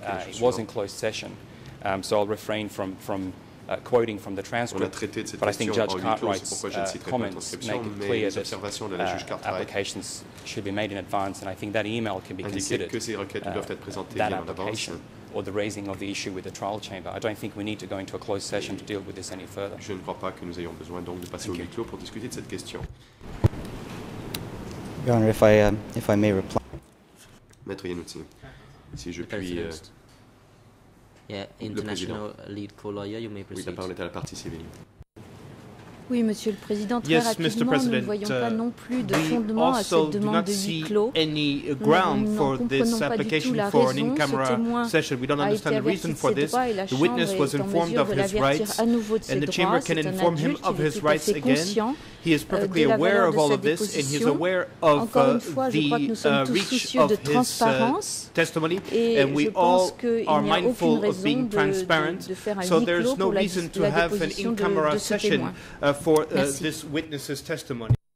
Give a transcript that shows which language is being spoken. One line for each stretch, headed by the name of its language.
English: It was in closed session, so I'll refrain from quoting from the transcript. But I think Judge Cartwright's comments make it clear that applications should be made in advance, and I think that email can be considered that application. Or the raising of the issue with the trial chamber. I don't think we need to go into a closed session to deal with this any further.
French: Je ne crois pas que nous ayons besoin donc de passer au huis clos pour discuter de cette question.
English: Your Honor, if I may reply.
French: Maître Iannuzzi, si je puis.
English: International lead co-lawyer, you may proceed.
French: Oui, la parole est à la partie civile. Oui, Monsieur le Président, très rapidement, nous ne voyons pas non plus de fondement à cette demande de huis clos. Nous n'en comprenons pas du tout la raison. Ce témoin a été averti de ses droits et la Chambre est en mesure de l'avertir à nouveau de ses droits. C'est un adulte, il est tout à fait conscient.
English: He is perfectly aware of all of this, and he's aware of the reach of his testimony, and we all are mindful of being transparent, so there is no reason to have an in-camera session for this witness's testimony.